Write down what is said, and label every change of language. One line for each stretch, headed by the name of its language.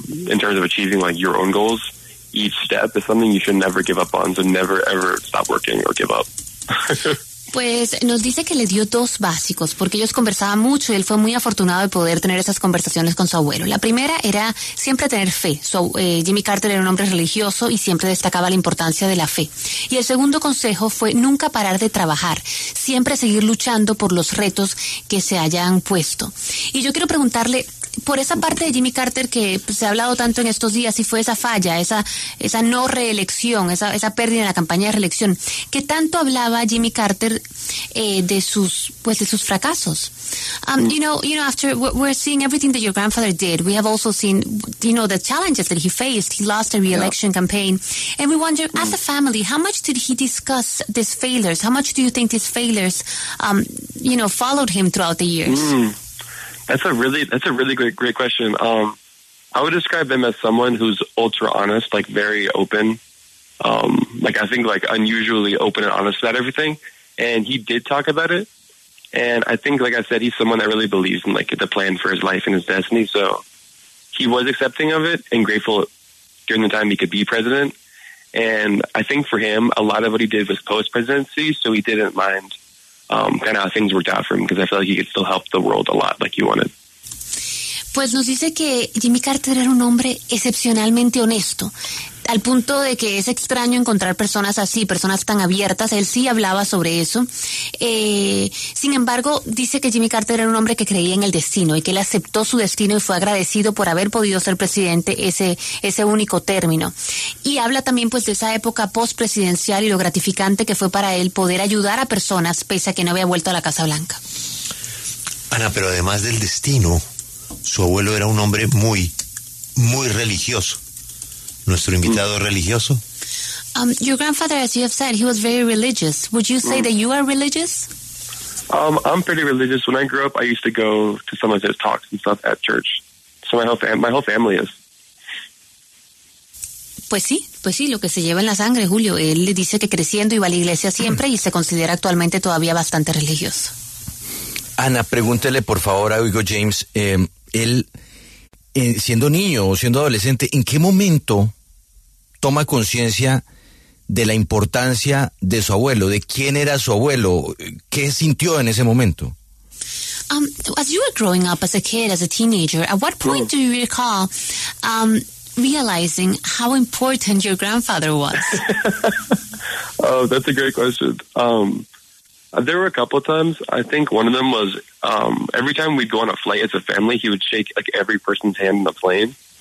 English: In terms of achieving like your own goals, each step is something you should never give up on, so never ever stop working or give up.
Spanish: Pues nos dice que le dio dos básicos, porque ellos conversaban mucho y él fue muy afortunado de poder tener esas conversaciones con su abuelo. La primera era siempre tener fe. Jimmy Carter era un hombre religioso y siempre destacaba la importancia de la fe. Y el segundo consejo fue nunca parar de trabajar, siempre seguir luchando por los retos que se hayan puesto. Y yo quiero preguntarle, por esa parte de Jimmy Carter que se ha hablado tanto en estos días, si fue esa falla, esa no reelección, esa pérdida en la campaña de reelección, ¿qué tanto hablaba Jimmy Carter de sus fracasos?
English: You know, after we're seeing everything that your grandfather did, we have also seen, you know, the challenges that he faced. He lost a reelection campaign. And we wonder, as a family, how much did he discuss these failures? How much do you think these failures, followed him throughout the years? That's a really great question. I would describe him as someone who's ultra honest, like very open. I think like unusually open and honest about everything. And he did talk about it. And I think, like I said, he's someone that really believes in like the plan for his life and his destiny. So he was accepting of it and grateful during the time he could be president. And I think for him, a lot of what he did was post-presidency. So he didn't mind kind of how things worked out for him, because I feel like he could still help the world a lot like he wanted.
Spanish: Pues nos dice que Jimmy Carter era un hombre excepcionalmente honesto, al punto de que es extraño encontrar personas así, personas tan abiertas. Él sí hablaba sobre eso. Sin embargo, dice que Jimmy Carter era un hombre que creía en el destino y que él aceptó su destino y fue agradecido por haber podido ser presidente ese único término. Y habla también pues de esa época post-presidencial y lo gratificante que fue para él poder ayudar a personas pese a que no había vuelto a la Casa Blanca. Ana, pero además del destino, su abuelo era un hombre muy, muy religioso. Nuestro invitado religioso.
English: Your grandfather, as you have said, he was very religious. Would you say that you are religious? I'm pretty religious. When I grew up, I used to go to some of his talks and stuff at church. So my whole family is.
Spanish: Pues sí, lo que se lleva en la sangre, Julio. Él le dice que creciendo iba a la iglesia siempre y se considera actualmente todavía bastante religioso. Ana, pregúntele por favor a Hugo James. Siendo niño o siendo adolescente, ¿en qué momento toma conciencia de la importancia de su abuelo, de quién era su abuelo, qué sintió en ese momento?
English: As you were growing up as a kid, as a teenager, at what point do you recall realizing how important your grandfather was? Oh, that's a great question. There were a couple of times. I think one of them was every time we'd go on a flight as a family, he would shake like every person's hand in the plane.